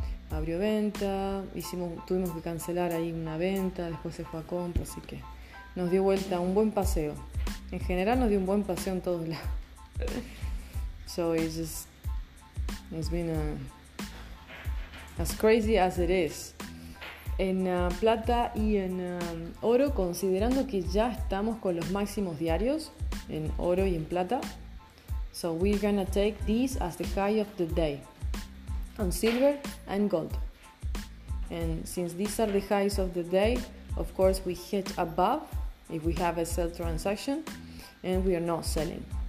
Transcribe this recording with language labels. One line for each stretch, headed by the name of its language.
Spanish: Abrió venta, tuvimos que cancelar ahí una venta, después se fue a compra, así que nos dio vuelta un buen paseo. En general nos dio un buen paseo en todos lados.
English: So it's been as crazy as it is.
Spanish: En plata y en oro, considerando que ya estamos con los máximos diarios en oro y en plata,
English: So we're gonna take these as the high of the day on silver and gold. And since these are the highs of the day, of course we hedge above if we have a sell transaction and we are not selling.